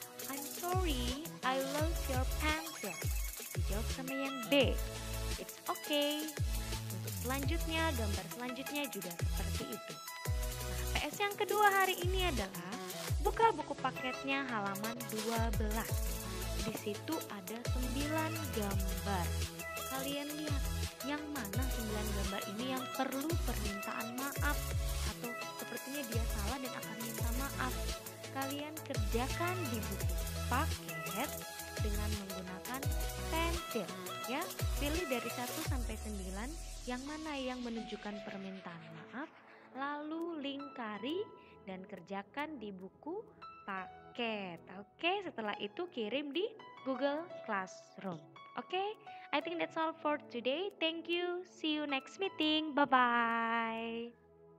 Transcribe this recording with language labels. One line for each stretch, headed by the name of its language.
English: I'm sorry, I lost your pencil.
Indonesian: Dijawab sama yang B.
English: It's okay.
Indonesian: Untuk selanjutnya, gambar selanjutnya juga seperti itu. Nah, PS yang kedua hari ini adalah buka buku paketnya halaman 12. Di situ ada 9 gambar. Kalian lihat yang mana 9 gambar ini yang perlu permintaan maaf atau sepertinya dia salah dan akan minta maaf. Kalian kerjakan di buku paket dengan menggunakan pensil, ya. Pilih dari 1 sampai 9 yang mana yang menunjukkan permintaan maaf, lalu lingkari dan kerjakan di buku paket. Oke, setelah itu kirim di Google Classroom.
English: Oke, I think that's all for today. Thank you. See you next meeting. Bye-bye.